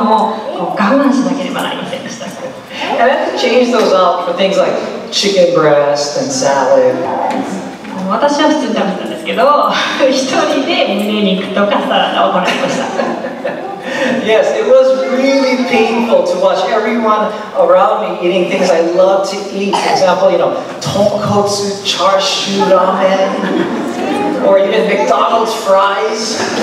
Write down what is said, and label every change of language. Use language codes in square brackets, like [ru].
[ja] ハワイ出身のジェイソンが大好きなですね、スタバのチョコレートがたんまに入ったクッキーですとか、白いご飯とか、いろいろなものを我慢しなければなりませんでした。 [en] I had to change those up for things like chicken breast and salad. [ja] 私は普通に食べたんですけど、一人で胸肉とかサラダを食べました。 [en] Yes, it was really painful to watch everyone around me eating things I love to eat. For example, you know, tonkotsu, char siu ramen, or even McDonald's fries.